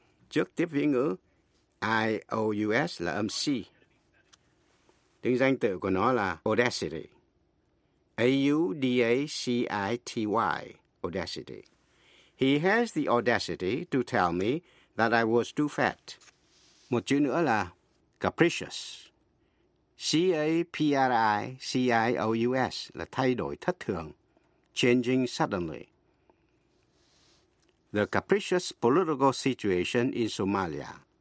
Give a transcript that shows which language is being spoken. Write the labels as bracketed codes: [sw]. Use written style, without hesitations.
[vi] Trước tiếp vĩ ngữ, I-O-U-S là âm C. Tiếng danh tự của nó là audacity. [en] A-U-D-A-C-I-T-Y. Audacity. He has the audacity to tell me that I was too fat. [vi] Một chữ nữa là capricious. C-A-P-R-I-C-I-O-U-S là thay đổi thất thường. [en] Changing suddenly. The capricious political situation in Somalia.